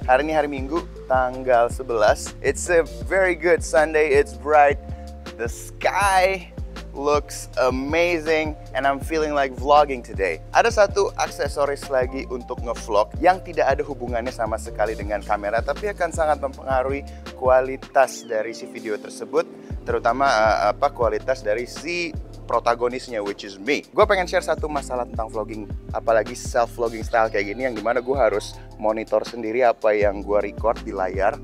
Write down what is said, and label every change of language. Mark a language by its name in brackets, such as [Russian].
[Indonesian] Hari ini hari Minggu, tanggal 11. [English] It's a very good Sunday. It's bright. The sky looks amazing and I'm feeling like vlogging today. [Indonesian] Ada satu aksesoris lagi untuk nge-vlog yang tidak ada hubungannya sama sekali dengan kamera tapi akan sangat mempengaruhi kualitas dari si video tersebut, terutama kualitas dari si protagonisnya, [English] which is me. [Indonesian] Gue pengen share satu masalah tentang vlogging, apalagi self-vlogging style kayak gini, yang dimana gue harus monitor sendiri apa yang gue record di layar.